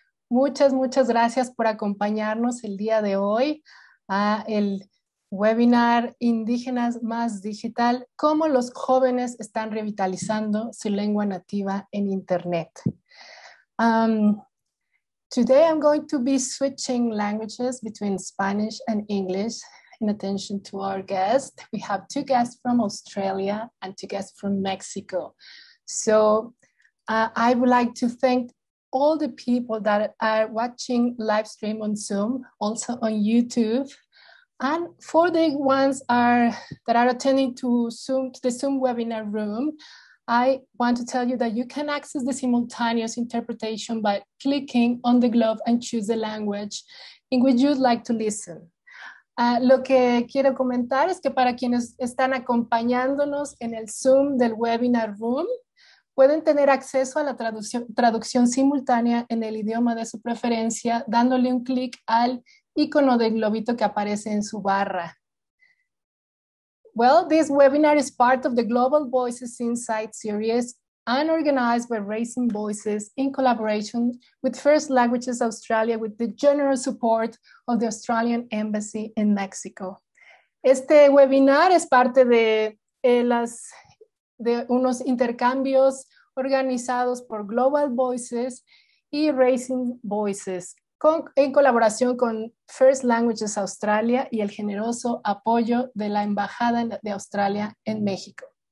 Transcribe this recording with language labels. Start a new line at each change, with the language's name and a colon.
Spanish: Muchas, muchas gracias por acompañarnos el día de hoy a el webinar Indígenas Más Digital, cómo los jóvenes están revitalizando su lengua nativa en Internet.
English: Today I'm going to be switching languages between Spanish and English. In attention to our guest, we have two guests from Australia and two guests from Mexico. So I would like to thank all the people that are watching live stream on Zoom, also on YouTube, and for the ones that are attending to Zoom, to the Zoom webinar room, I want to tell you that you can access the simultaneous interpretation by clicking on the globe and choose the language in which you'd like to listen.
Spanish: Lo que quiero comentar es que para quienes están acompañándonos en el Zoom del Webinar Room, pueden tener acceso a la traducción simultánea en el idioma de su preferencia, dándole un clic al icono del globito que aparece en su barra.
English: Well, this webinar is part of the Global Voices Insight Series and organized by Raising Voices in collaboration with First Languages Australia with the generous support of the Australian Embassy in Mexico.
Spanish: Este webinar es parte de unos intercambios organizados por Global Voices y Raising Voices en colaboración con First Languages Australia y el generoso apoyo de la Embajada de Australia en México.